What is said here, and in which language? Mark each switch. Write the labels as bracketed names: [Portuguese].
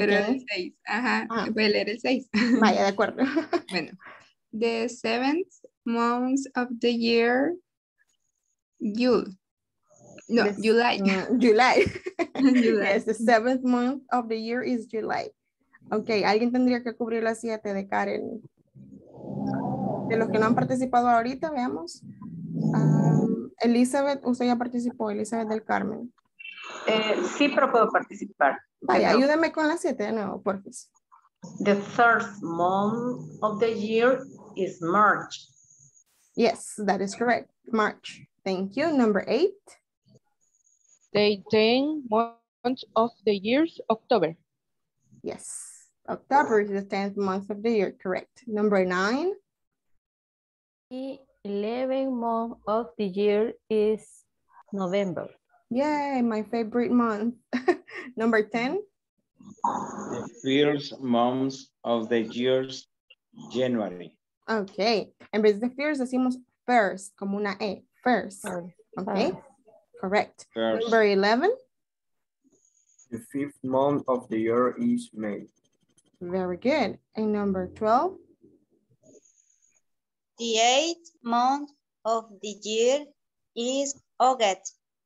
[Spanish] Pero el 6. Ajá, voy a leer el 6. Vaya, de acuerdo. [English] Bueno. The seventh month of the year, July. No, July. July. July. Yes, the seventh month of the year is July. [Spanish] Ok, alguien tendría que cubrir las 7 de Karen. De los que no han participado ahorita, veamos. Elizabeth, usted ya participó, Elizabeth del Carmen. Sí, pero puedo participar. Vaya, ayúdame con las 7 de nuevo, por favor. [English] The third month of the year is March. Yes, that is correct. March. Thank you. Number 8. The 10 month of the year is October. Yes, October is the 10th month of the year, correct. Number 9. The 11th month of the year is November. Yay, my favorite month. Number 10. The first month of the year is January. [Spanish] Okay, en vez de first decimos first, como una E, first. [English] Okay, correct. First. Number 11. The fifth month of the year is May. Very good. And number 12. The eighth month of the year is August.